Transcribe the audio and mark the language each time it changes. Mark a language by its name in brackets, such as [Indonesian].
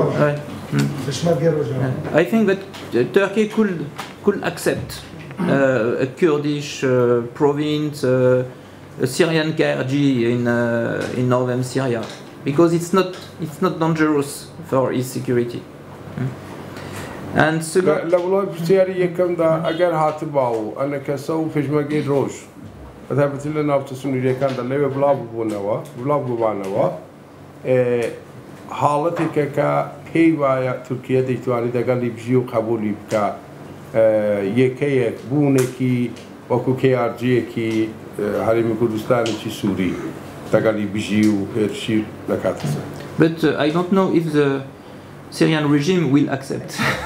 [English] I think that Turkey could accept a Kurdish province, a Syrian KRG in northern Syria, because it's not dangerous for its security. And [Central Kurdish] second, بەتایبەتی لەناو تە سنووریەکاندا لەوێ بڵاوببوانەوە حاڵەتێکە کە پێی وایە تورکیە دەیتوانی دەگەڵی بژی و قەبولی بکە یەکەیەک بوونێکی وەکو کێارجیەکی هەرێمی کوردستانێکی سووری دەگەڵی بژی و هێرشی دەکاتە [English] But I don't know if the Syrian regime will accept.